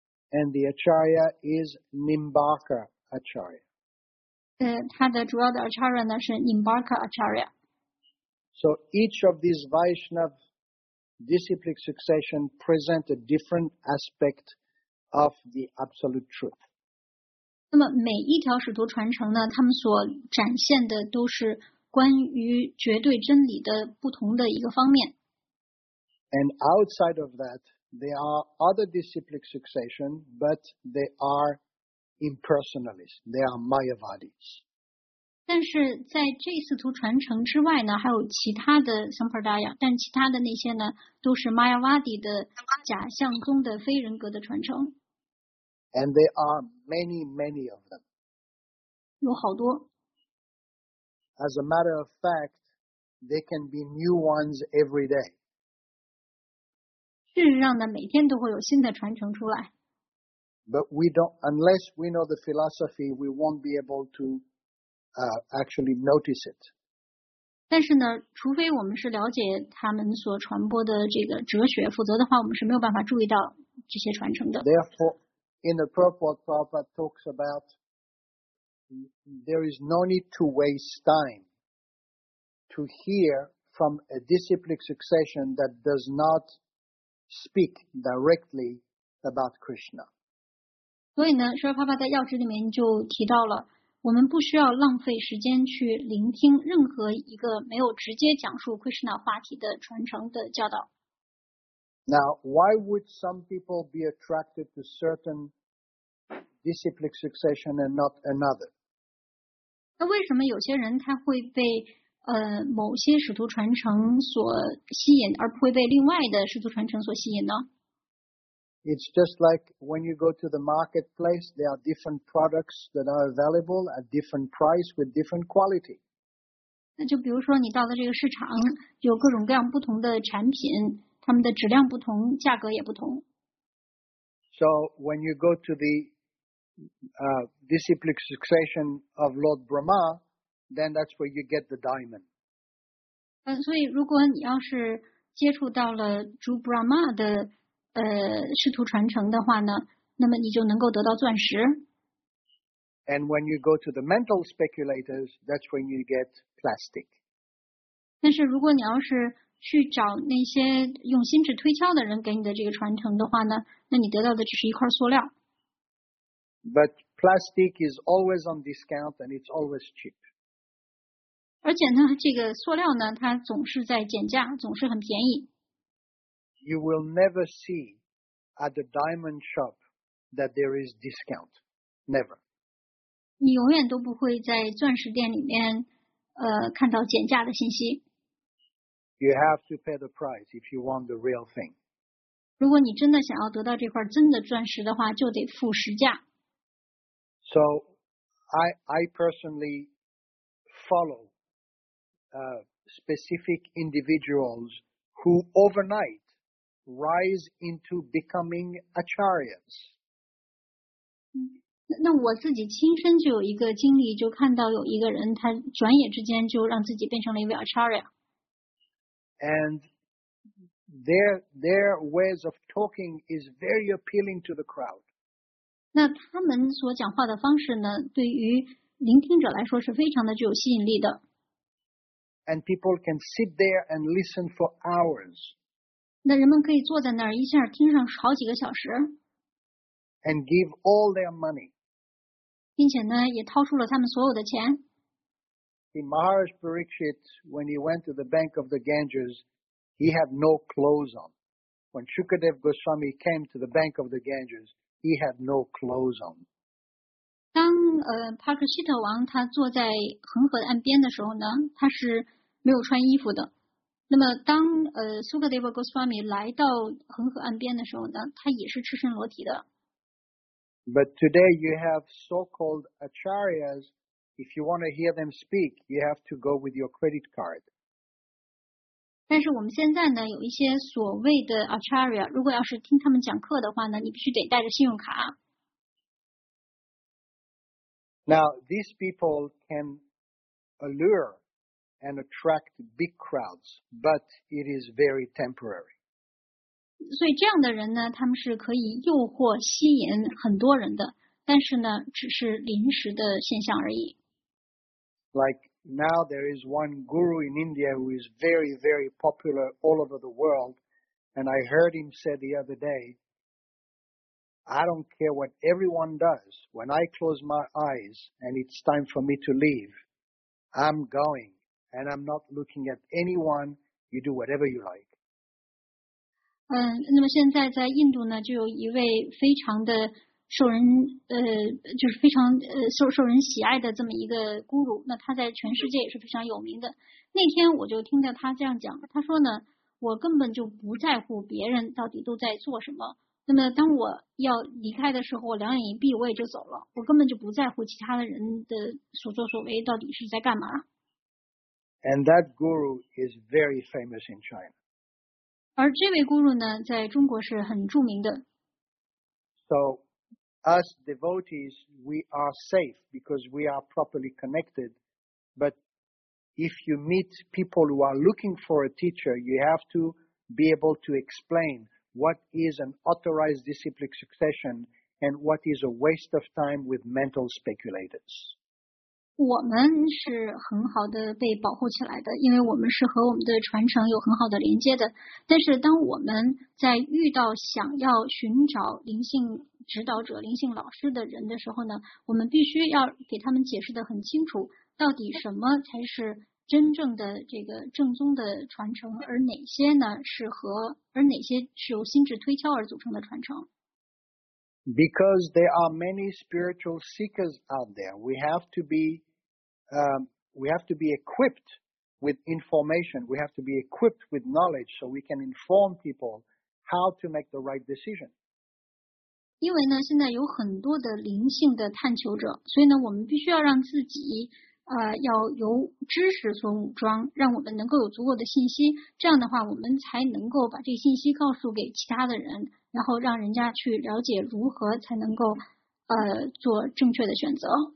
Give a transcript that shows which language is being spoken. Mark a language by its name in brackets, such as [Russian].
[English] And the Acharya is Nimbarka Acharya. [Chinese] 他的主要的 Acharya 呢是 Nimbarka Acharya. [English] So each of these Vaishnava disciplic succession present a different aspect of the absolute truth. [Chinese] 那么每一条使徒传承呢他们所展现的都是关于绝对真理的不同的一个方面。 [English] And outside of that, there are other disciplic succession, but they areimpersonalists, they are Mayavadis. [Chinese] 但是在这四徒传承之外呢还有其他的 Sampradaya, 但其他的那些呢都是 Mayavadi 的假象中的非人格的传承。 [English] And there are many, many of them. [Chinese] 有好多。 [English] As a matter of fact, there can be new ones every day. [Chinese] 事实上呢每天都会有新的传承出来。 [English] But we don't, unless we know the philosophy, we won't be able to, actually notice it. [Chinese] 但是呢除非我们是了解他们所传播的这个哲学否则的话我们是没有办法注意到这些传承的。 [English] Therefore, in the Prabhupada, Prabhupada talks about, there is no need to waste time to hear from a disciplic succession that does not speak directly about Krishna. [Chinese] 所以呢舍尔帕帕在要旨里面就提到了我们不需要浪费时间去聆听任何一个没有直接讲述 Krishna 话题的传承的教导。 [English] Now, why would some people be attracted to certain disciplic succession and not another? [Chinese] 那为什么有些人他会被某些使徒传承所吸引而不会被另外的使徒传承所吸引呢？ [English] It's just like when you go to the marketplace, there are different products that are available at different price with different quality. [Chinese] 那就比如说你到了这个市场，有各种各样不同的产品，它们的质量不同，价格也不同。 [English] So when you go to the disciplic succession of Lord Brahma, then that's where you get the diamond. [Chinese] 所以如果你要是接触到了主 Brahma 的师徒传承的话呢，那么你就能够得到钻石。 [English] And when you go to the mental speculators, that's when you get plastic. [Chinese] 但是如果你要是去找那些用心智推敲的人给你的这个传承的话呢，那你得到的只是一块塑料。 [English] But plastic is always on discount and it's always cheap. [Chinese] 而且呢，这个塑料呢，它总是在减价，总是很便宜。 [English] You will never see at the diamond shop that there is discount. Never. [Chinese] 你永远都不会在钻石店里面看到减价的信息。 [English] You have to pay the price if you want the real thing. [Chinese] 如果你真的想要得到这块真的钻石的话就得付实价。 [English] So I personally follow specific individuals who overnight rise into becoming acharyas. [Chinese] 那我自己亲身就有一个经历，就看到有一个人，他转眼之间就让自己变成了一位 Acharya。 [English] And their ways of talking is very appealing to the crowd. [Chinese] 那他们所讲话的方式呢，对于聆听者来说是非常的具有吸引力的。 [English] And people can sit there and listen for hours. [Chinese] 那人们可以坐在那儿一下听上好几个小时。 [English] And give all their money. [Chinese] 并且呢，也掏出了他们所有的钱。 [English] In Maharaj Parikshit, when he went to the bank of the Ganges, he had no clothes on. When Shukadev Goswami came to the bank of the Ganges, he had no clothes on. [Chinese] 当帕克希特王他坐在恒河岸边的时候呢，他是没有穿衣服的。那么当Sukadev Goswami 来到恒河岸边的时候呢，他也是赤身裸体的。 [English] But today you have so-called acharyas. If you want to hear them speak, you have to go with your credit card. [Chinese] 但是我们现在呢，有一些所谓的 acharya， 如果要是听他们讲课的话呢，你必须得带着信用卡。 [English] Now these people can allure and attract big crowds, but it is very temporary. [Chinese] 所以这样的人呢，他们是可以诱惑、吸引很多人的，但是呢，只是临时的现象而已。 [English] Like now, there is one guru in India who is very, very popular all over the world, and I heard him say the other day, "I don't care what everyone does. When I close my eyes and it's time for me to leave, I'm going, and I'm not looking at anyone. You do whatever you like." [Chinese] 那么现在在印度呢，就有一位非常的受人就是非常受人喜爱的这么一个孤儒，那他在全世界也是非常有名的。那天我就听到他这样讲，他说呢，我根本就不在乎别人到底都在做什么。那么当我要离开的时候，我两眼一闭，我也就走了。我根本就不在乎其他的人的所作所为到底是在干嘛。 [English] And that guru is very famous in China. [Chinese] 而这位 guru 呢，在中国是很著名的。 [English] So. Us devotees, we are safe because we are properly connected. But if you meet people who are looking for a teacher, you have to be able to explain what is an authorized disciplic succession and what is a waste of time with mental speculators. [Chinese] 我们是很好的被保护起来的，因为我们是和我们的传承有很好的连接的。但是当我们在遇到想要寻找灵性指导者、灵性老师的人的时候呢，我们必须要给他们解释得很清楚，到底什么才是真正的这个正宗的传承，而哪些呢是和而哪些是由心智推敲而组成的传承。 [English] Because there are many spiritual seekers out there, we have to be equipped with information. We have to be equipped with knowledge so we can inform people how to make the right decision. [Chinese] 因为呢，现在有很多的灵性的探求者，所以呢，我们必须要让自己要由知识所武装，让我们能够有足够的信息。这样的话，我们才能够把这个信息告诉给其他的人，然后让人家去了解如何才能够做正确的选择。